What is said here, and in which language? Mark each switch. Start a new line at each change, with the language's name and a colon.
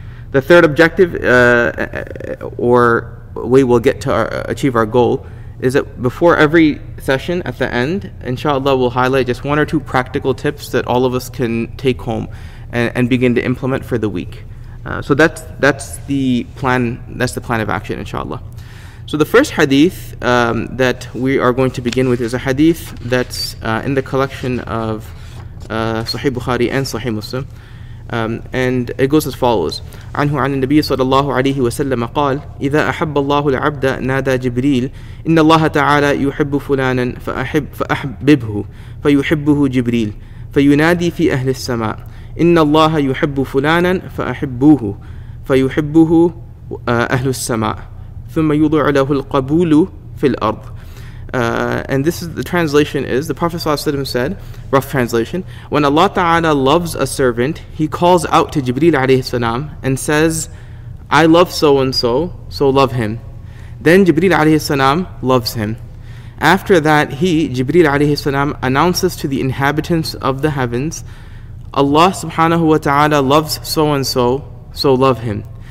English: The third objective or way we'll get to achieve our goal is that before every session at the end, inshallah, we'll highlight just one or two practical tips that all of us can take home and begin to implement for the week. So that's the plan. That's the plan of action, inshallah. So the first hadith that we are going to begin with is a hadith that's in the collection of Sahih Bukhari and Sahih Muslim, and it goes as follows:
Arabic: عنه عن النبي صلى الله عليه وسلم قال إذا أحب الله العبد نادى جبريل إن الله تعالى يحب فلانا فأحببه فيحبه جبريل فينادي في أهل السماء إن الله يحب فلانا فأحبوه فيحبه أهل السماء ثم يضع له القبول في الأرض.
English: And this is the translation is, the Prophet ﷺ said, rough translation, when Allah Ta'ala loves a servant, he calls out to Jibreel alayhi salam and says, I love so-and-so, so love him. Then Jibreel alayhi salam loves him. After that, he, Jibreel alayhi salam, announces to the inhabitants of the heavens, Allah subhanahu wa ta'ala loves so-and-so, so love him.